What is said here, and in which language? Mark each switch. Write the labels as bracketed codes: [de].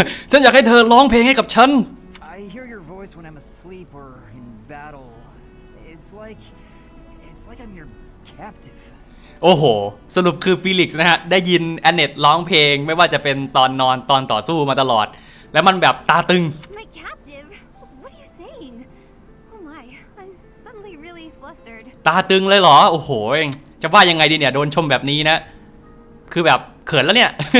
[th] ฉันอยากให้เธอร้องเพลงให้กับฉัน [en] I hear your voice when I'm asleep or in battle. It's like I'm your captive. [th] โอ้โหสรุปคือฟีลิกซ์นะฮะได้ยินแอนเนตร้องเพลงไม่ว่าจะเป็นตอนนอนตอนต่อสู้มาตลอดแล้วมันแบบตาตึง [en] My captive. What are you saying? Oh my. I'm suddenly really flustered. [th] ตาตึงเลยเหรอโอ้โหจะว่ายังไงดีเนี่ยโดนชมแบบนี้นะคือแบบเขินแล้วเนี่ย